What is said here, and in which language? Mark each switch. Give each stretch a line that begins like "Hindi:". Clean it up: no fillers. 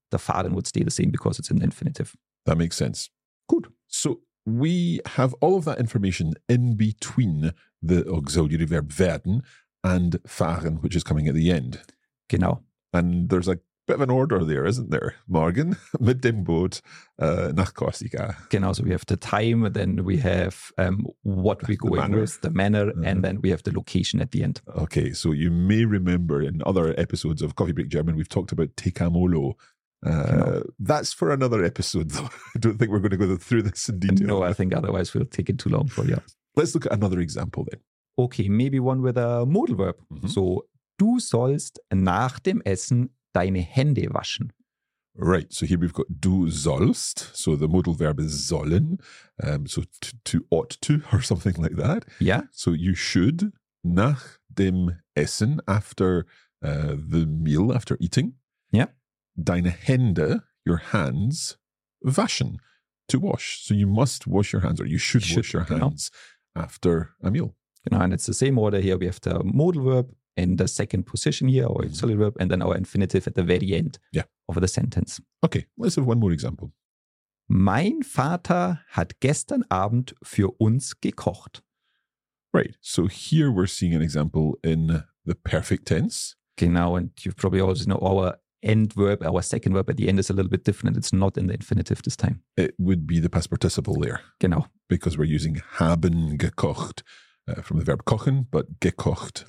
English: The fahren would stay the same because it's in the infinitive. That makes sense. Good. So we have all of that information in between the auxiliary verb werden and fahren, which is coming at the end.
German: Genau.
English: And there's a bit of an order there, isn't there?
German: Morgen, mit dem Boot, nach Korsika. Genau,
English: so we have the time, then we have what we're going with, the manner, and then we have the location at the end. Okay, so you may remember in other episodes of Coffee Break German, we've talked about Tecamolo. That's for another episode, though. I don't think we're going to go through this in detail. No, I think otherwise we'll take it too long for you. Let's look at another example then. Okay, maybe one with a modal verb. Mm-hmm.
German: So, du sollst nach dem Essen deine Hände waschen.
English: Right. So here we've got du sollst. So the modal verb is sollen. So to ought to or something like that. Yeah. So you should
German: nach dem Essen,
English: after the meal, after eating. Yeah.
German: deine Hände,
English: your hands, waschen, to wash. So you must wash your hands, or you should wash your hands after a meal.
German: Genau,
English: and it's the same order here. We have the modal verb in the second position here, or auxiliary verb, and then our infinitive at the very end of the sentence. Okay, let's have one more example.
German: Mein Vater hat gestern Abend für uns gekocht.
English: Right, so here we're seeing an example in the perfect tense.
German: Genau,
English: and you probably always know our end verb, our second verb at the end is a little bit different. It's not in the infinitive this time. It would be the past participle there.
German: Genau.
English: Because we're using
German: haben gekocht
English: from the verb kochen, but gekocht.